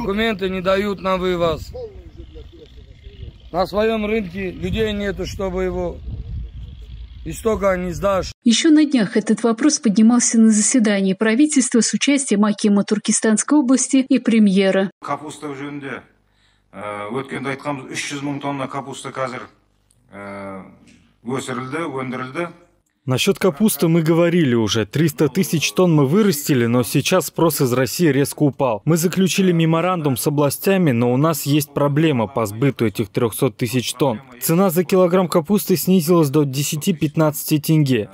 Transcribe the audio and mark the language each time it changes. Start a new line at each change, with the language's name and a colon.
Russian: Документы не дают нам вывоз. На своем рынке людей нету, чтобы его истока не сдашь. Еще на днях этот вопрос поднимался на заседании правительства с участием акима Туркестанской области и премьера.
Kazakh: Капуста в жөнде. Өткенде айтқанбыз, 300 000 тонна капуста қазір өсірілді, өндірілді.
Russian: Насчет капусты мы говорили уже. 300 тысяч тонн мы вырастили, но сейчас спрос из России резко упал. Мы заключили меморандум с областями, но у нас есть проблема по сбыту этих 300 тысяч тонн. Цена за килограмм капусты снизилась до 10-15 тенге.